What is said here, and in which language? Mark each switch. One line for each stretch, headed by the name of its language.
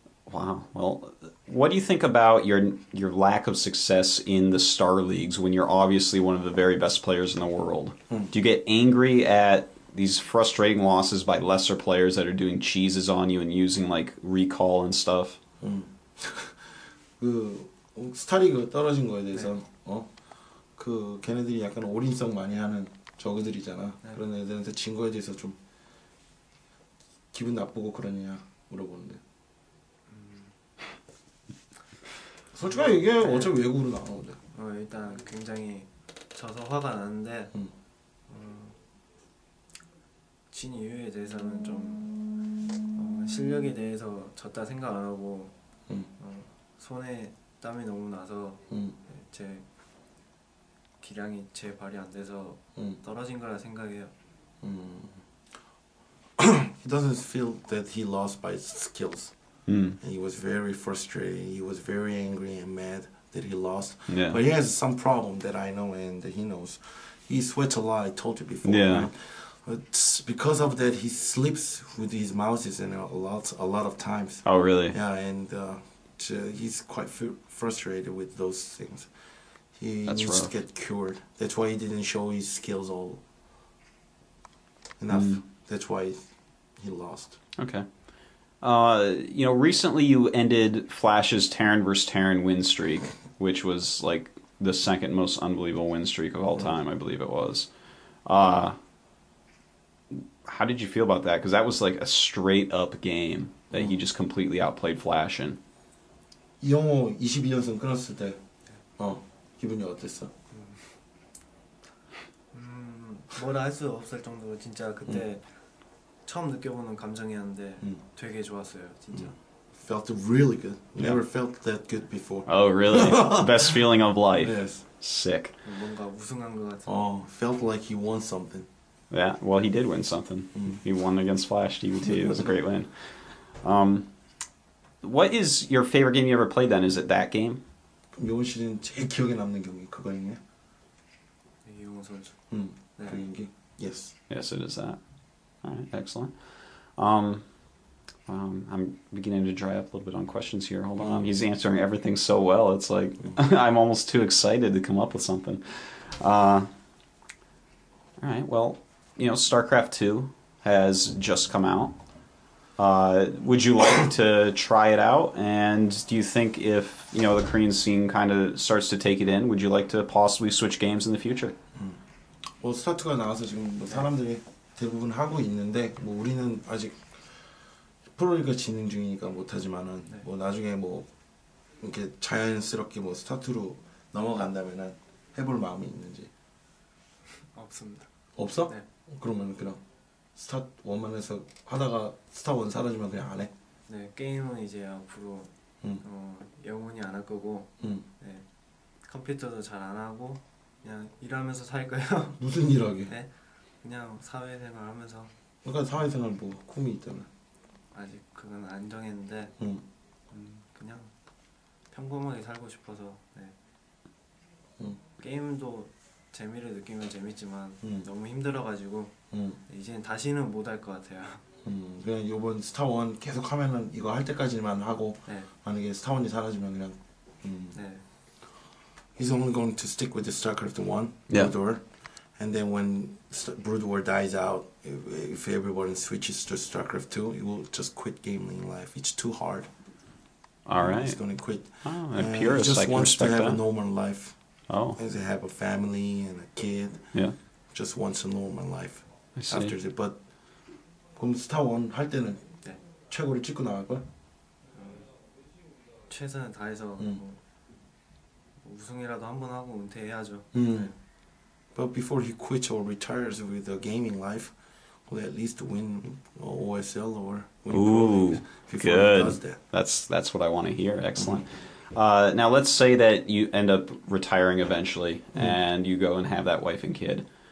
English: Wow. Well, what do you think about your lack of success in the Star Leagues when you're obviously one of the very best players in the world? Do you get angry at these frustrating losses by lesser players that are doing cheeses on you and using, like, recall and stuff?
Korean: 스타리그 떨어진 거에 대해서 그 걔네들이 약간 올인성 많이 하는 저그들이잖아 그런 애들한테 진 거에 대해서 좀 기분 나쁘고 그러냐 물어보는데 솔직히 이게 어차피 외국으로 나오는데 일단 굉장히 져서 화가 나는데 진 이유에 대해서는 좀 실력에 대해서 졌다 생각 안 하고 손에 땀이 너무 나서 제 기량이 제 발이 안 돼서 떨어진 거라 생각해요.
English: He doesn't feel that he lost by his skills. He was very frustrated. He was very angry and mad that he lost. Yeah. But he has some problem that I know and that he knows. He sweats a lot. I told you before. Yeah. But because of that, he sleeps with his mouses and a lot of times. Oh, really? Yeah, and he's quite frustrated with those things. He That's needs rough. To get cured. That's why he didn't show his skills all enough. That's why he lost. Okay. You know, recently you ended Flash's Terran vs. Terran win streak, which was, like, the second most unbelievable win streak of all time, I believe it was. How did you feel about that? Because that was, like, a straight-up game that he just completely outplayed Flash in.
Korean: 이 형호 22연승 끊었을 때, 기분이 어땠어? 뭐라 할 수 없을 정도로 진짜 그때 처음 느껴보는 감정이었는데 되게 좋았어요, 진짜.
English: Felt really good. Never felt that good before. Oh, really? Best feeling of life. Yes. Sick.
Korean: 뭔가 우승한 것 같은.
English: Oh, felt like he won something. Yeah, well, he did win something. He won against Flash DBT. It was a great win. What is your favorite game you ever played then? Is it that game?
Korean: 요원 씨는 제일 기억에 남는 경기 그거 있냐? 요원 선수. 그 경기?
English: Yes. Yes, it is that. Alright, excellent. I'm beginning to dry up a little bit on questions here. Hold on. He's answering everything so well. It's like I'm almost too excited to come up with something. Alright, well, you know, StarCraft 2 has just come out. Would you like to try it out? And do you think if, you know, the Korean scene kind of starts to take it in, would you like to possibly switch games in the future?
Korean: Well, StarCraft 2가 나와서 지금 뭐 사람들이 대부분 하고 있는데 뭐 우리는 아직 프로리그 진행 중이니까 못하지만은 뭐 나중에 뭐 이렇게 자연스럽게 뭐 스타트로 넘어간다면은 해볼 마음이 있는지 없습니다. 없어? 네. 그러면 그냥 스타트 원만해서 하다가 스타트 원 사라지면 그냥 안 해? 네, 게임은 이제 앞으로 영원히 안 할 거고 네, 컴퓨터도 잘 안 하고 그냥 일하면서 살 거예요. 무슨 일하게? 네, 그냥 사회생활 하면서. 그러니까 사회생활 뭐 꿈이 있다면? 아직 그건 안 정했는데 그냥 평범하게 살고 싶어서 네. 게임도 재미를 느끼면 재밌지만 너무 힘들어가지고 이제는 다시는 못 할 것 같아요. 그냥 이번 스타원 계속 하면은 이거 할 때까지만 하고 네. 만약에 스타원이 사라지면 그냥 네.
English: He's only going to stick with the StarCraft 1 Brood War, and then when Brood War dies out, if everyone switches to StarCraft 2, he will just quit gambling life. It's too hard. Alright. He's gonna quit. Oh, and purist, he just like wants to have that. A normal life. Oh. He wants to have a family and a kid. Yeah. Just wants a normal life. I see. After that, but...
Korean: 그럼 스타원 할 때는 네. 최고를 찍고 나갈 거야? 최선을 다해서 우승이라도 한번 하고 은퇴해야죠. 네.
English: But before he quits or retires with the gaming life, will at least win OSL or win Ooh, pro league before good. He does that. That's what I want to hear. Excellent. Now let's say that you end up retiring eventually and you go and have that wife and kid.